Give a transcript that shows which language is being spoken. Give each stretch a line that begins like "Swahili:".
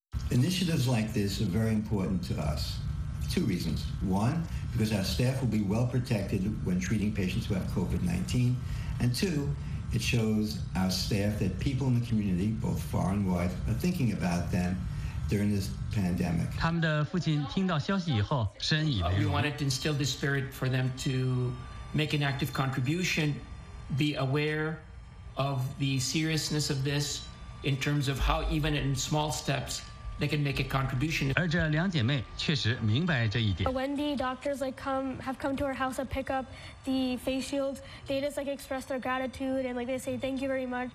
English: Initiatives like this are very important to us. Two reasons. One, because our staff will be well protected when treating patients who have COVID-19. And two, it shows our staff that people in the community, both far and wide, are thinking about them during this pandemic.
Chinese: 他们的父亲听到消息以后，深以为荣。
English: We wanted to instill this spirit for them to make an active contribution, be aware of the seriousness of this in terms of how even in small steps, they can make a contribution.
Chinese: 而这两姐妹确实明白这一点。
English: When the doctors like have come to our house to pick up the face shields, they just like express their gratitude and like they say thank you very much.